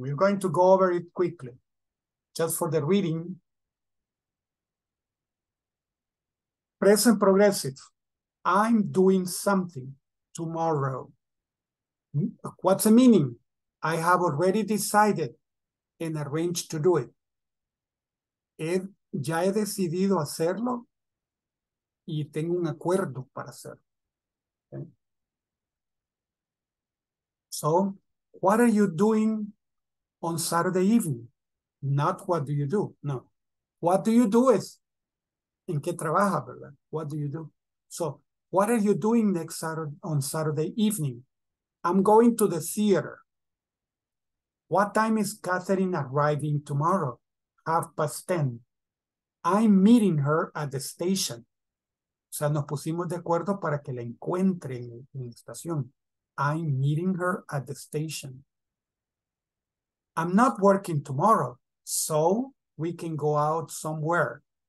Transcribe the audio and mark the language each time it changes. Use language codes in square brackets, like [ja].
[en] We're going to go over it quickly, just for the reading. Present progressive. I'm doing something tomorrow. What's the meaning? I have already decided and arranged to do it. [es] Ya he decidido hacerlo y tengo un acuerdo para hacerlo. [en] Okay. So, what are you doing on Saturday evening? Not what do you do, no. What do you do is, [es] ¿en qué trabaja, verdad? [en] What do you do? So, what are you doing next Saturday, on Saturday evening? I'm going to the theater. What time is Catherine arriving tomorrow? 10:30. I'm meeting her at the station. [es] O sea, nos pusimos de acuerdo para que la encuentre en la estación. [en] I'm meeting her at the station. I'm not working tomorrow, so we can go out somewhere.